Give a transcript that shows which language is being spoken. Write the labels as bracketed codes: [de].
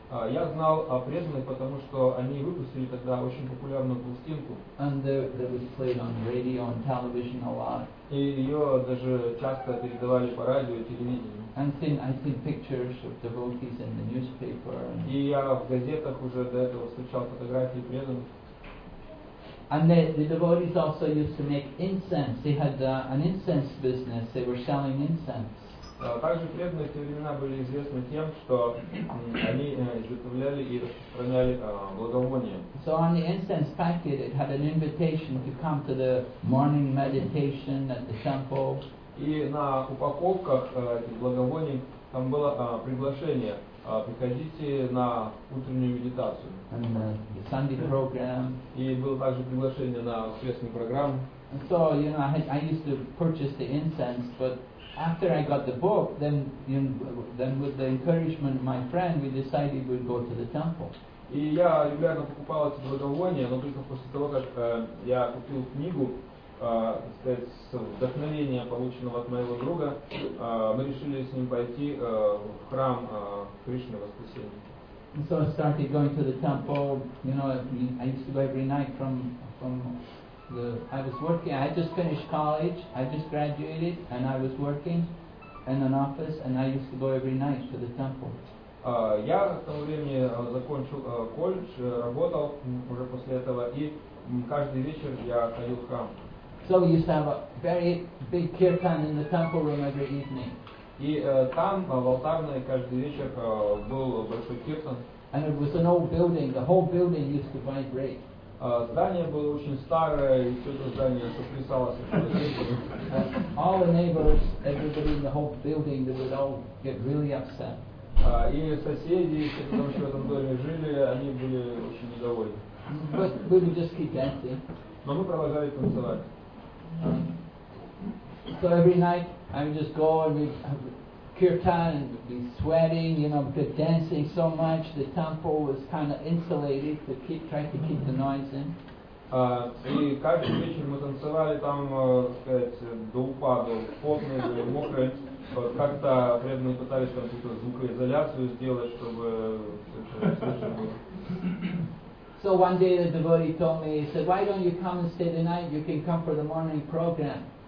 [ru] Я знал о преданных, потому что они выпустили тогда очень популярную пластинку. [en] And they were played on radio and television a lot. [ru] И ее даже часто передавали по радио и телевидению. [en] And I've seen pictures of devotees in the newspaper. And [ru] и я в газетах уже до этого встречал фотографии преданных. [en] And the devotees also used to make incense. They had an incense business. They were selling incense. [ru] Также преданные в те времена были известны тем, что они изготовляли и распространяли благовония. [en] So on the incense packet, it had an invitation to come to the morning meditation at the temple. [ru] И на упаковках этих благовоний там было приглашение: приходите на утреннюю медитацию. [en] And the Sunday program. [ru] И было также приглашение на воскресную программу. [en] So you know, I used to purchase the incense, but after I got the book, then with the encouragement of my friend, we decided we'd go to the temple. [ru] И я регулярно покупал эти благовония, но только после того, как я купил книгу. С вдохновения, полученного от моего друга, мы решили с ним пойти в храм Кришны Воскресения. [en] And so I started going to the temple. You know, I used to go every night from the. I was working. I just finished college. I just graduated, and I was working in an office. And I used to go every night to the temple. [ru] Я к тому времени закончил колледж, работал уже после этого, и каждый вечер я ходил в храм. [en] So we used to have a very big kirtan in the temple room every evening. [ru] И там в алтарной каждый вечер был большой киртан. [en] And it was an old building. The whole building used to vibrate. [ru] Здание было очень старое, и все это здание сотрясалось от энергии. [en] All the neighbors, everybody in the whole building, they would all get really upset. [ru] И соседи, все, потому что в этом доме жили, они были очень недовольны. [en] But we would just keep dancing. [ru] Но мы продолжали танцевать. [en] So every night I would just go and we'd have kirtan and we'd be sweating, you know, because dancing so much, the temple was kind of insulated to keep trying to keep the noise in. [ru] И каждый вечер мы танцевали там, до упаду, потные были, мокрые. Как-то преданные пытались там какую-то звукоизоляцию сделать, чтобы слышно было. [en] So one day the devotee told me, he said, "Why don't you come and stay the night? You can come for the morning program."